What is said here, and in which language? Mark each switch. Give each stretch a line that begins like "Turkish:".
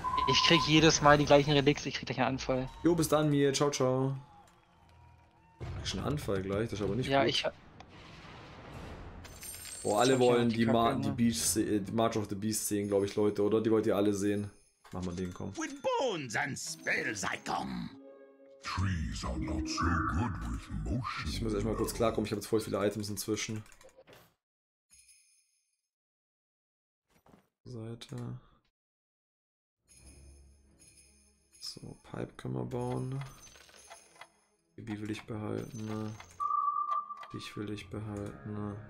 German: Ich krieg jedes Mal die gleichen Relics, ich krieg gleich einen Anfall. Jo, bis dann, mir. Ciao, ciao. Ich krieg schon einen Anfall gleich, das ist aber nicht ja, gut. Ich. Oh, alle wollen die March of the Beast sehen, glaube ich, Leute, oder? Die wollt ihr alle sehen. Mach mal den, komm.
English: With bones and spells I come. Trees are not so good with motion.
German: Ich muss erstmal kurz klarkommen, ich habe jetzt voll viele Items inzwischen. Seite. So, Pipe können wir bauen. Baby will ich behalten. Dich will ich behalten.